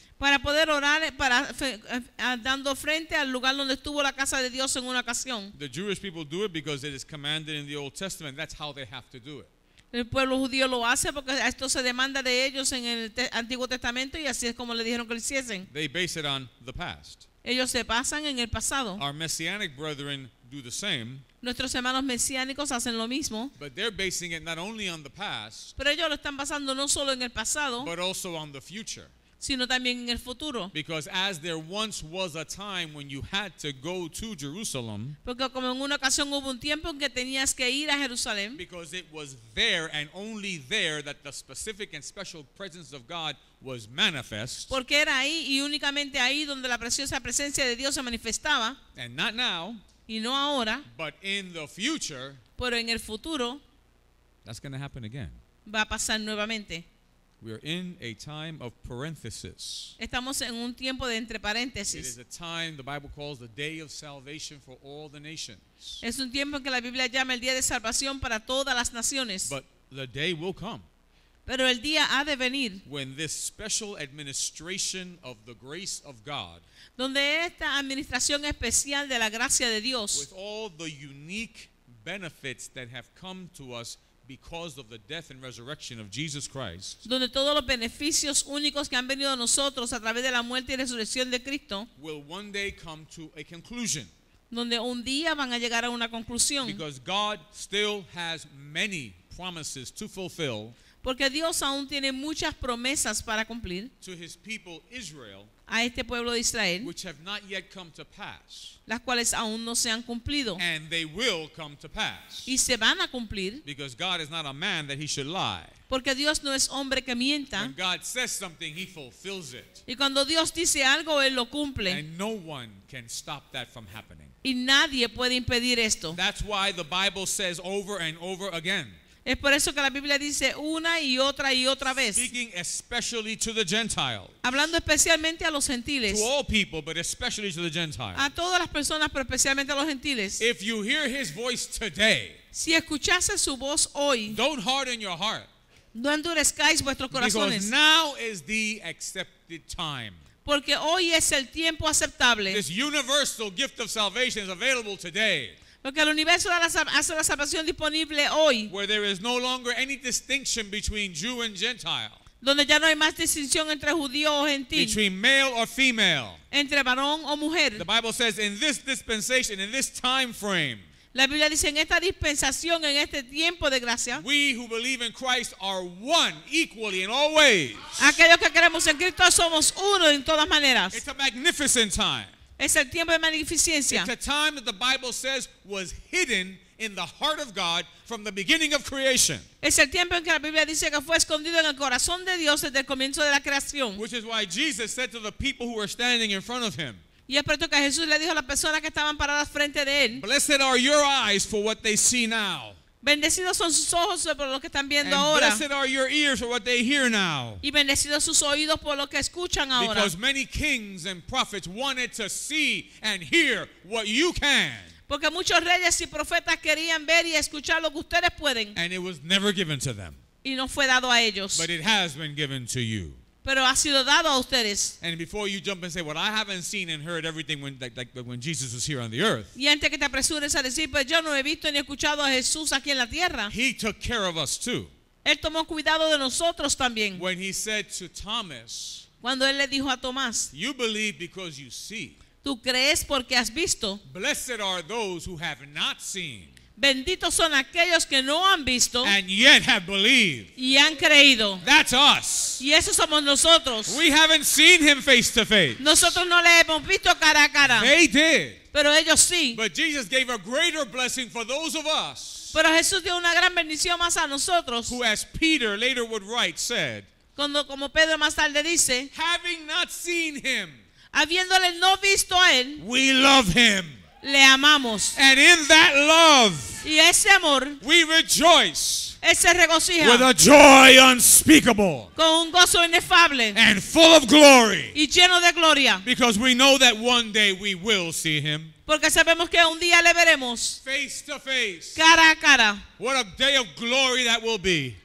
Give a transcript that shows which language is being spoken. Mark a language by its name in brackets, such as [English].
[Spanish] para poder orar para dando frente al lugar donde estuvo la casa de Dios en una ocasión. [English] The Jewish people do it because it is commanded in the Old Testament. That's how they have to do it. [Spanish] El pueblo judío lo hace porque esto se demanda de ellos en el Antiguo Testamento y así es como le dijeron que lo hiciesen. [English] They base it on the past. [Spanish] Ellos se basan en el pasado. [English] Our Messianic brethren do the same. [Spanish] Nuestros hermanos mesiánicos hacen lo mismo. [English] But they're basing it not only on the past, [Spanish] pero ellos lo están basando no solo en el pasado, [English] but also on the future, [Spanish] sino también en el futuro. [English] Because as there once was a time when you had to go to Jerusalem, [Spanish] porque como en una ocasión hubo un tiempo en que tenías que ir a Jerusalén, [English] because it was there and only there that the specific and special presence of God was manifest, [Spanish] porque era ahí y únicamente ahí donde la preciosa presencia de Dios se manifestaba, [English] and not now, [Spanish] y no ahora, [English] but in the future, [Spanish] pero en el futuro, [English] that's going to happen again. [Spanish] Va a pasar nuevamente. [English] We are in a time of parenthesis. [Spanish] Estamos en un tiempo de entre paréntesis. [English] It is a time the Bible calls the day of salvation for all the nations. [Spanish] Es un tiempo en que la Biblia llama el día de salvación para todas las naciones. [English] But the day will come. [Spanish] Pero el día ha de venir. [English] When this special administration of the grace of God, [Spanish] donde esta administración especial de la gracia de Dios, [English] with all the unique benefits that have come to us because of the death and resurrection of Jesus Christ, [Spanish] donde todos los beneficios únicos que han venido a nosotros a través de la muerte y resurrección de Cristo, [English] will one day come to a conclusion. [Spanish] Donde un día van a llegar a una conclusión. [English] Because God still has many promises to fulfill. [Spanish] Porque Dios aún tiene muchas promesas para cumplir. [English] To his people Israel, [Spanish] a este pueblo de Israel, [English] which have not yet come to pass, [Spanish] las cuales aún no se han cumplido, [English] and they will come to pass, [Spanish] y se van a cumplir, [English] because God is not a man that he should lie. [Spanish] Porque Dios no es hombre que mienta. [English] When God says something, he fulfills it. [Spanish] Y cuando Dios dice algo, él lo cumple. [English] And no one can stop that from happening. [Spanish] Y nadie puede impedir esto. [English] That's why the Bible says over and over again. [Spanish] Es por eso que la Biblia dice una y otra vez. [English] Speaking especially to the Gentiles. [Spanish] Hablando especialmente a los gentiles. [English] To all people, but especially to the Gentiles. [Spanish] A todas las personas, pero especialmente a los gentiles. [English] If you hear his voice today, [Spanish] si escuchase su voz hoy, [English] don't harden your heart. [Spanish] No endurezcáis vuestros corazones. [English] Because now is the accepted time. [Spanish] Porque hoy es el tiempo aceptable. [English] This universal gift of salvation is available today. [Spanish] Porque el universo hace la salvación disponible hoy. [English] Where there is no longer any distinction between Jew and Gentile. [Spanish] Donde ya no hay más distinción entre judío o gentil. [English] Between male or female. [Spanish] Entre varón o mujer. [English] The Bible says in this dispensation, in this time frame, [Spanish] la Biblia dice en esta dispensación, en este tiempo de gracia, [English] we who believe in Christ are one equally in all ways. [Spanish] Aquellos que creemos en Cristo somos uno en todas maneras. [English] It's a magnificent time. [Spanish] Es el tiempo de magnificencia. [English] It's a time that the Bible says was hidden in the heart of God from the beginning of creation. [Spanish] Es el tiempo en que la Biblia dice que fue escondido en el corazón de Dios desde el comienzo de la creación. [English] Which is why Jesus said to the people who were standing in front of him, [Spanish] y es por esto que Jesús le dijo a las personas que estaban paradas frente de él, [English] blessed are your eyes for what they see now. [Spanish] Bendecidos son sus ojos por lo que están viendo [English] and [Spanish] ahora. [English] Blessed are your ears for what they hear now. [Spanish] Y bendecidos sus oídos por lo que escuchan ahora. [English] Because many kings and prophets wanted to see and hear what you can. [Spanish] Porque muchos reyes y profetas querían ver y escuchar lo que ustedes pueden. [English] And it was never given to them. [Spanish] Y no fue dado a ellos. [English] But it has been given to you. [Spanish] Pero ha sido dado a ustedes. [English] And before you jump and say, well, I haven't seen and heard everything when Jesus was here on the earth. [Spanish] Y antes que te apresures a decir, pues yo no he visto ni escuchado a Jesús aquí en la tierra. [English] He took care of us too. [Spanish] Él tomó cuidado de nosotros también. [English] When he said to Thomas, [Spanish] cuando él le dijo a Tomás, [English] you believe because you see. [Spanish] Tú crees porque has visto. [English] Blessed are those who have not seen. [Spanish] Benditos son aquellos que no han visto [English] and yet have believed. [Spanish] Y han creído. [English] That's us. [Spanish] Y esos somos nosotros. [English] We haven't seen him face to face. [Spanish] Nosotros no le hemos visto cara a cara. [English] They did. [Spanish] Pero ellos sí. [English] But Jesus gave a greater blessing for those of us. [Spanish] Pero Jesús dio una gran bendición más a nosotros. [English] Who, as Peter later would write, said, [Spanish] cuando, como Pedro más tarde dice, [English] having not seen him, [Spanish] habiéndole no visto a él, [English] we love him. [Spanish] Le amamos. [English] And in that love, [Spanish] y ese amor, [English] we rejoice. [Spanish] Ese regocija, [English] with a joy unspeakable. [Spanish] Con un gozo inefable. [English] And full of glory. [Spanish] Y lleno de gloria. [English] Because we know that one day we will see him. [Spanish] Porque sabemos que un día le veremos. [English] Face to face. [Spanish] Cara a cara. [English] What a day of glory that will be.